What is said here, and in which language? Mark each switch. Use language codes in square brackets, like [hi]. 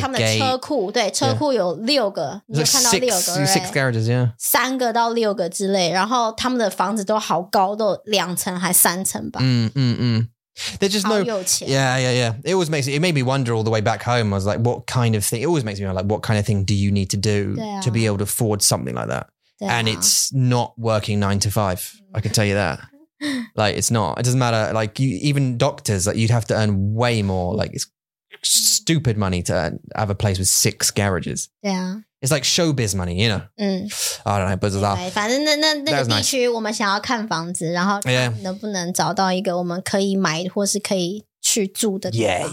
[zh] 他们的车库，对，车库有六个，你有看到六个 [en] ，six garages， [zh] 三个到六个之类。然后他们的房子都好高，都两层还三层吧。 [en] There's just no, yeah. It always makes it, it made me wonder all the way back home. I was like, what kind of thing? It always makes me wonder, like, what kind of thing do you need to do to be able to afford something like that? And it's not working 9 to 5. I can tell you that. Like, it's not, it doesn't matter. Like, you, even doctors, like, you'd have to earn way more. Like, it's stupid money to earn, have a place with six garages. Yeah. It's like showbiz money, you know? Mm. I don't know, buzzer's off. [zh] 反正那个地区我们想要看房子, 然后能不能找到一个我们可以买或是可以去住的地方。